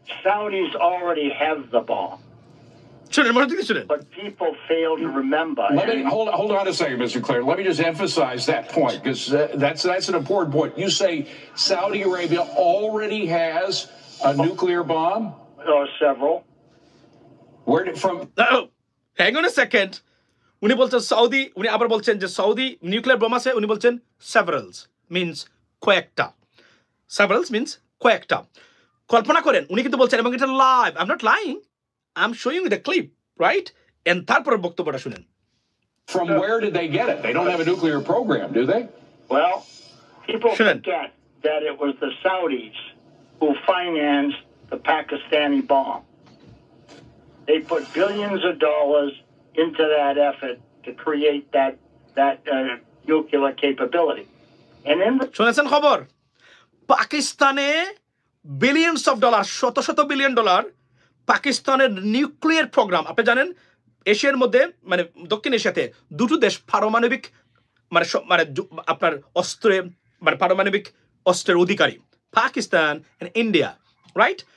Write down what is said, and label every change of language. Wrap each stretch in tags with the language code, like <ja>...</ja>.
<en>Saudis already have the bomb. But people fail to remember. Hold on a second, Mr. Clare. Let me just emphasize that point, because that's an important point. You say Saudi Arabia already has a nuclear bomb? Several. Where did it from? Oh, hang on a second.</en> <bn>উনি বলছেন Saudi, উনি আবার বলছেন যে Saudi nuclear bomb আছে, উনি বলছেন সেভারালস means কয়েকটা, সেভারালস মিনস কয়েকটা। কল্পনা করেন, উনি কিন্তু বলছেন, এবং এটা live,</bn> <en>I am not lying, I am showing the clip, right?</en> <bn>And তারপর বক্তব্যটা শুনেন।</bn> <en>From where did they get it? They don't have a nuclear program, do they? Well, people forget that it was the Saudis who financed the Pakistani bomb. They put billions of dollars into that effort to create that nuclear capability. And in the...</en> <bn>শুনেছেন খবর? পাকিস্তানে</bn> <en>billions of dollars,</en> <bn>শত শত billion dollar, পাকিস্তানের nuclear programme. আপনি জানেন এশিয়ার মধ্যে, মানে দক্ষিণ এশিয়াতে দুটো দেশ পারমাণবিক, মানে মানে আপনার অস্ত্রে, মানে পারমাণবিক অস্ত্রের অধিকারী, পাকিস্তান এন্ড ইন্ডিয়া, রাইট?</bn>